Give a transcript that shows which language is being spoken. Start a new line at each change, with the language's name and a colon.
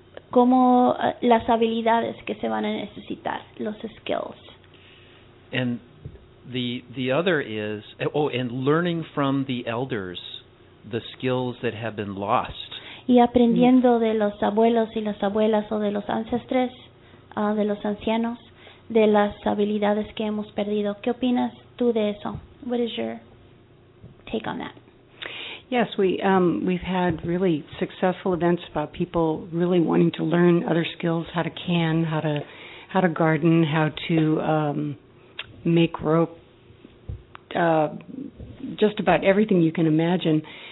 Spanish: como las habilidades que se van a necesitar, los skills.
English: And the other is, and learning from the elders the skills that have been lost.
Spanish: Y aprendiendo de los abuelos y las abuelas o de los ancestres, de los ancianos, de las habilidades que hemos perdido. ¿Qué opinas tú de eso?
English: What is your take on that? Yes, we've had really successful events about people really wanting to learn other skills, how to can, how to garden, how to make rope, just about everything you can imagine.